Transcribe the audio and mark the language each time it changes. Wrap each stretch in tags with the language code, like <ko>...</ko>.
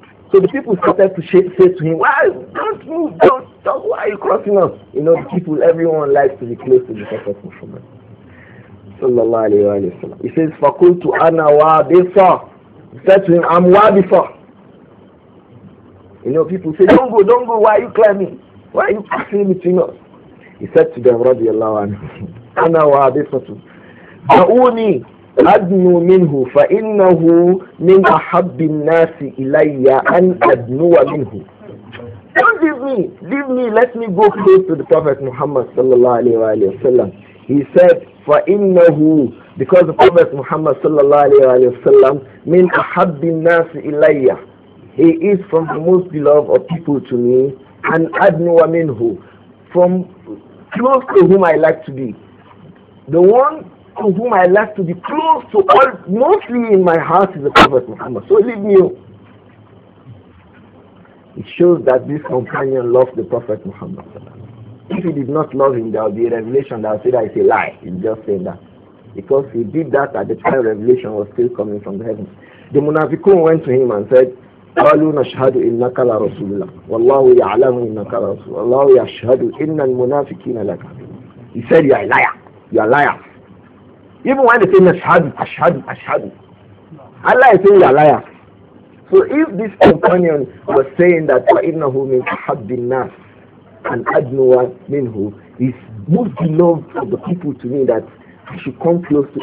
<en>So the people started to say to him, why? Don't move, don't stop, why are you crossing us? You know, the people, everyone likes to be close to the Prophet Muhammad</en> <ar>sallallahu alayhi wa sallam.</ar> <en>He says,</en> <ar>فَقُلْتُ أَنَا وَابِصَ.</ar> <en>He said to him, I'm وَابِصَ. You know, people say, don't go, why are you climbing? Why are you crossing between us? He said to them,</en> <ar>رضي الله عنه, أَنَا وَابِصَ. دَعُونِ أَدْنُ مِنْهُ فَإِنَّهُ مِنْ أَحَبِّ النَّاسِ إِلَيَّ أَنْ أَدْنُوَ مِنْهُ.</ar> <en>Don't leave me, let me go close to the Prophet Muhammad</en> <ar>sallallahu alayhi wa sallam.</ar> <en>He said, فَإِنَّهُ, because the Prophet Muhammad sallallahu alayhi wa sallam,</en> <ar>مِنْ أَحَبِّ النَّاسِ إِلَيَّ.</ar> <en>He is from the most beloved of people to me,</en> <ar>أَنْ أَدْنُوَ مِنْهُ,</ar> <en>from close to whom I like to be. The one to whom I like to be close to all, mostly in my heart, is the Prophet Muhammad. So leave me alone. It shows that this companion loved the Prophet Muhammad. If he did not love him, there would be a revelation that would say that it's a lie. He's just saying that. Because he did that at the time revelation was still coming from the heavens. The munafiqun went to him and said,</en> <ar>قَالُوا نَشْهَدُ إِنَّكَ لَرَسُولُ اللَّهِ وَاللَّهُ يَعْلَمُ إِنَّكَ لَرَسُولُ وَاللَّهُ يَشْهَدُ إِنَّ الْمُنَافِقِينَ لَكَ.</ar> <en>He said, you're a liar. You're a liar. Even when they say ashadu, Allah is saying you're a liar. So if this companion was saying that</en> <ar>فَإِنَّهُ مِنْ أَحَبِّ النَّاسِ</ar> <en>and</en> <ar>Adnuwa Minhu</ar> <en>is most beloved of the people to me that I should come close to.</en>